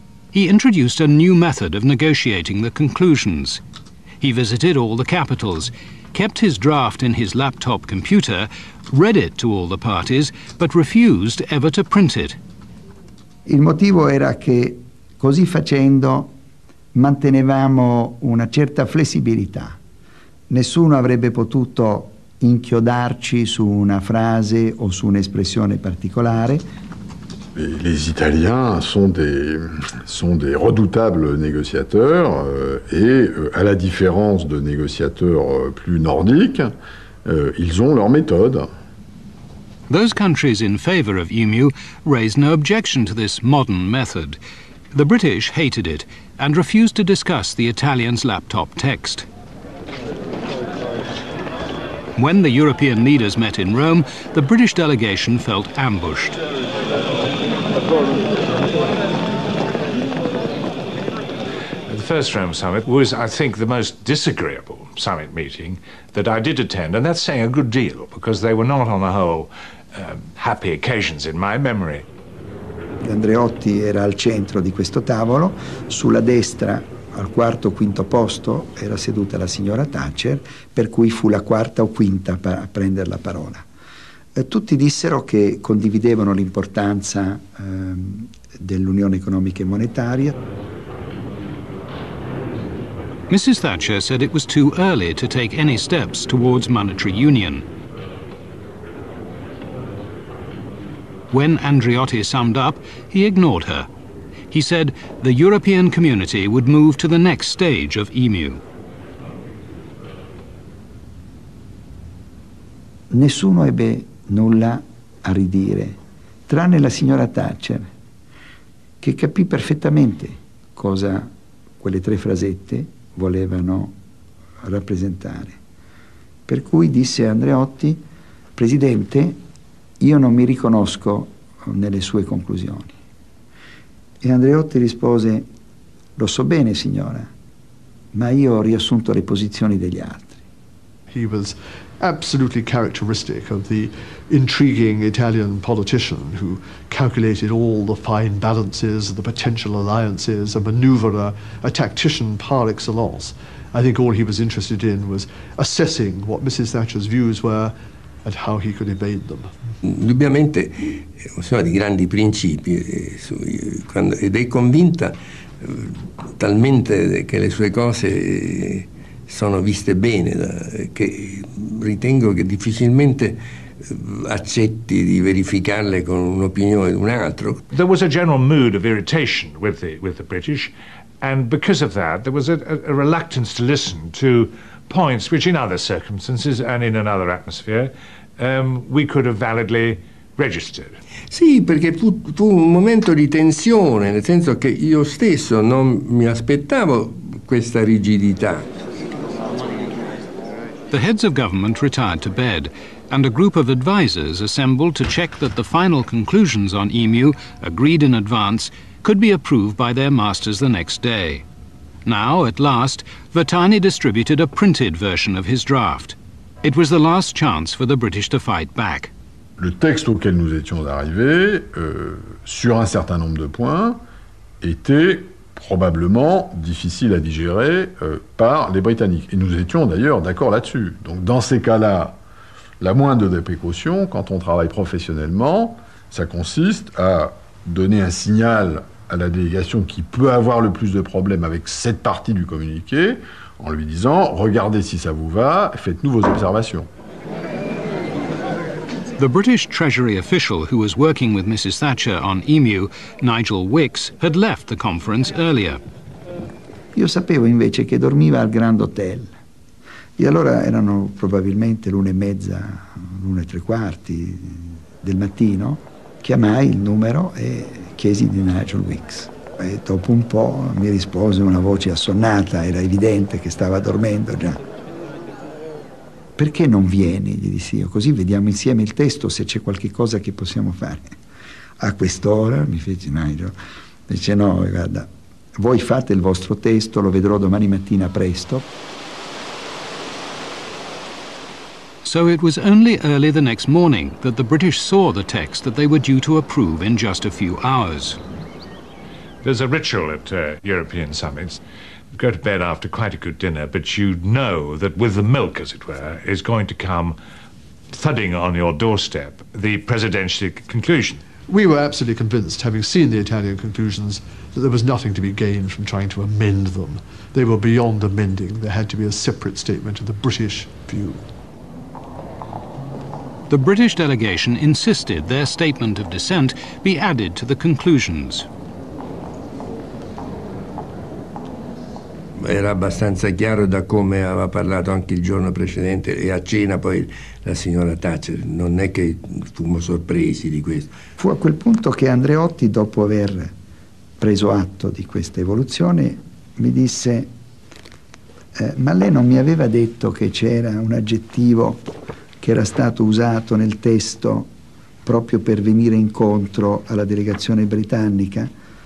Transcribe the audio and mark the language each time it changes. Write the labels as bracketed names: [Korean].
[English] He introduced a new method of negotiating the conclusions. He visited all the capitals, kept his draft in his laptop computer, read it to all the parties, but refused ever to print it. [Italian] Il motivo era che così facendo mantenevamo una certa flessibilità. Nessuno avrebbe potuto inchiodarci su una frase o su un'espressione particolare. [French] Les Italiens sont des redoutables négociateurs et à la différence de négociateurs plus nordiques, ils ont leur méthode. [English] Those countries in favor of EMU raise no objection to this modern method. The British hated it and refused to discuss the Italians' laptop text. When the European leaders met in Rome, the British delegation felt ambushed. The first Rome summit was, I think, the most disagreeable summit meeting that I did attend, and that's saying a good deal, because they were not, on the whole, happy occasions in my memory. [Italian] Andreotti era al centro di questo tavolo, sulla destra, al quarto o quinto posto, era seduta la signora Thatcher, per cui fu la quarta o quinta a prendere la parola. Tutti dissero che condividevano l'importanza dell'unione economica e monetaria. [English] Mrs. Thatcher said it was too early to take any steps towards monetary union. When Andreotti summed up, he ignored her. He said the European community would move to the next stage of EMU. [Italian] Nessuno ebbe nulla a ridire, tranne la signora Thatcher, che capì perfettamente cosa quelle tre frasette volevano rappresentare. Per cui disse Andreotti: Presidente, io non mi riconosco nelle sue conclusioni. E Andreotti rispose: Lo so bene, signora, ma io ho riassunto le posizioni degli altri. [English] He was absolutely characteristic of the intriguing Italian politician who calculated all the fine balances, the potential alliances, a maneuverer, a tactician par excellence. I think all he was interested in was assessing what Mrs. Thatcher's views were and how he could evade them. [Italian] Indubbiamente, insomma, di grandi principi, ed è convinta talmente che le sue cose sono viste bene, che ritengo che difficilmente accetti di verificarle con un'opinione di un altro. [English] There was a general mood of irritation with the British, and because of that there was a reluctance to listen to points which in other circumstances and in another atmosphere we could have validly registered. [Italian] Sì, perché fu un momento di tensione, nel senso che io stesso non mi aspettavo questa rigidità. [English] The heads of government retired to bed, and a group of advisers assembled to check that the final conclusions on EMU, agreed in advance, could be approved by their masters the next day. Now, at last, Vattani distributed a printed version of his draft. It was the last chance for the British to fight back. [French] Le texte auquel nous étions arrivés, sur un certain nombre de points, était probablement difficile à digérer par les Britanniques. Et nous étions d'ailleurs d'accord là-dessus. Donc dans ces cas-là, la moindre des précautions, quand on travaille professionnellement, ça consiste à donner un signal à la délégation qui peut avoir le plus de problèmes avec cette partie du communiqué, en lui disant « Regardez si ça vous va, faites-nous vos observations ». [English] The British Treasury official who was working with Mrs. Thatcher on EMU, Nigel Wicks, had left the conference earlier. [Italian] Io sapevo invece che dormiva al Grand Hotel. E allora erano probabilmente l'1:30, 1:15 del mattino. Chiamai il numero e chiesi di Nigel Wicks. E dopo un po' mi rispose una voce assonnata, era evidente che stava dormendo già. Perché non vieni? Gli dissi io. Così vediamo insieme il testo se c'è qualche cosa che possiamo fare. A quest'ora, mi fece Nigel, dice no, guarda, voi fate il vostro testo, lo vedrò domani mattina presto. [English] So it was only early the next morning that the British saw the text that they were due to approve in just a few hours. There's a ritual at European summits. Go to bed after quite a good dinner, but you know that with the milk, as it were, is going to come thudding on your doorstep, the presidential conclusion. We were absolutely convinced, having seen the Italian conclusions, that there was nothing to be gained from trying to amend them. They were beyond amending. There had to be a separate statement of the British view. The British delegation insisted their statement of dissent be added to the conclusions. [Italian] Era abbastanza chiaro da come aveva parlato anche il giorno precedente e a cena poi la signora Thatcher, non è che fummo sorpresi di questo. Fu a quel punto che Andreotti, dopo aver preso atto di questa evoluzione, mi disse ma lei non mi aveva detto che c'era un aggettivo che era stato usato nel testo proprio per venire incontro alla delegazione britannica?